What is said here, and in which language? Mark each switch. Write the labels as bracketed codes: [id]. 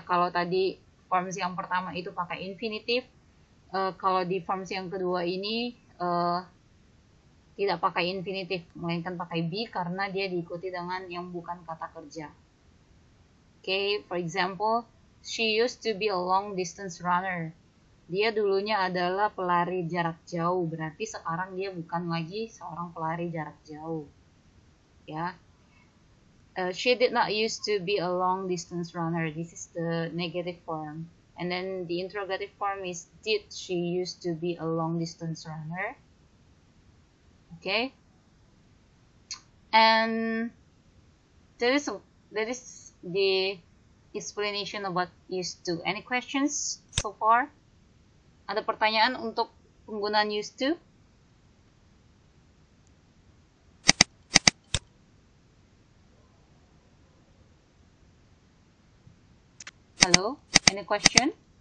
[id] Kalau tadi forms yang pertama itu pakai infinitive, kalau di forms yang kedua ini tidak pakai infinitive, melainkan pakai be karena dia diikuti dengan yang bukan kata kerja. [en] Okay, for example, she used to be a long distance runner. [id] Dia dulunya adalah pelari jarak jauh, berarti sekarang dia bukan lagi seorang pelari jarak jauh. Ya. [en] She did not used to be a long distance runner. This is the negative form. And then the interrogative form is did she used to be a long distance runner? Okay. And that is the explanation about used to. Any questions so far? [id] Ada pertanyaan untuk penggunaan used to? [en] Hello? Any question?